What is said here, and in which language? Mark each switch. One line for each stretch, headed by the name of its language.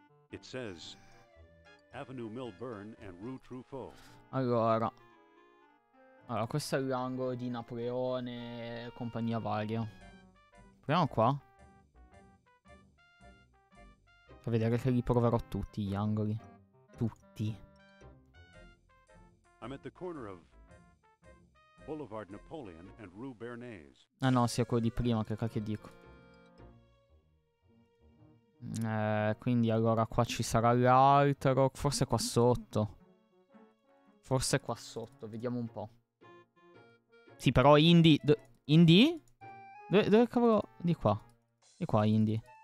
English: It says Avenue Milburn and Rue Truffaut.
Italian: Allora, questo è l'angolo di Napoleone e compagnia varia. Proviamo qua. Fa vedere che li proverò tutti gli angoli. Tutti.
English: I'm at the corner of Boulevard Napoleon and Rue Bernays.
Italian: Ah no, sia quello di prima, che cacchio dico. Quindi allora qua ci sarà l'altro. Forse qua sotto. Forse qua sotto, vediamo un po'. Sì, però Indy. Indy? Dove cavolo? Di qua. Di qua, Indy.